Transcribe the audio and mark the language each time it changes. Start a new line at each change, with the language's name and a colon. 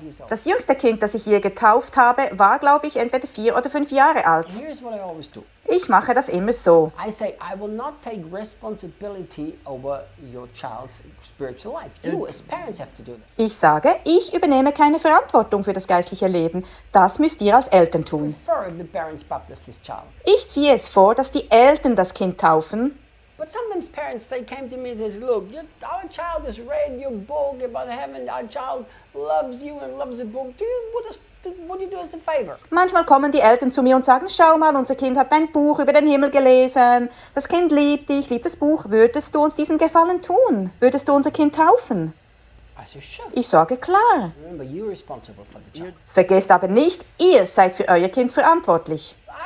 German: Das jüngste Kind, das ich je getauft habe, war, glaube ich, entweder 4 oder 5 Jahre alt.
English: Here's what I always do.
German: Ich mache das immer so.
English: I say, I will not take responsibility over your child's spiritual life. You as parents have to do that.
German: Ich sage, ich übernehme keine Verantwortung für das geistliche Leben. Das müsst ihr als Eltern tun.
English: I prefer if the parents baptize this child.
German: Ich ziehe es vor, dass die Eltern das Kind taufen.
English: But sometimes parents, they came to me and says, look, our child has read your book about heaven, our child loves you and loves the book. What do you do as a favor?
German: Manchmal kommen die Eltern zu mir und sagen, schau mal, unser Kind hat dein Buch über den Himmel gelesen. Das Kind liebt dich, liebt das Buch. Würdest du uns diesen Gefallen tun? Würdest du unser Kind taufen?
English: I say, sure.
German: Ich sage, klar.
English: Remember, you're responsible for the child.
German: Vergesst aber nicht, ihr seid für euer Kind verantwortlich.